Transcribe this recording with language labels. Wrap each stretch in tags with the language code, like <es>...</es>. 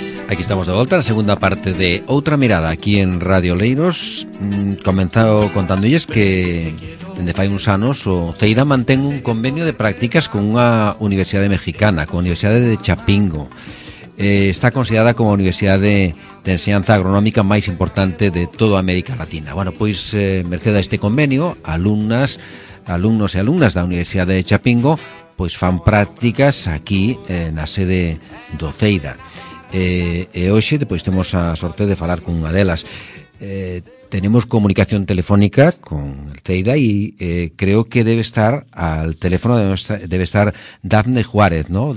<gl>Aquí estamos de volta, la segunda parte de Outra Mirada, aquí en Radio Leiros. Comenzado contándoles que desde fai uns anos o CEIDA mantén un convenio de prácticas con unha universidade mexicana, con a Universidade de Chapingo. Está considerada como a universidade de enseñanza agronómica máis importante de toda América Latina. Bueno, pois, merced a este convenio, alumnas, alumnos e alumnas da Universidade de Chapingo pois fan prácticas aquí na sede do CEIDA. E hoxe pois temos a sorte de falar con unha delas.</gl> <es>Tenemos comunicación telefónica con el CEIDA y creo que debe estar al teléfono, debe estar Dafne Juárez, ¿no?</es>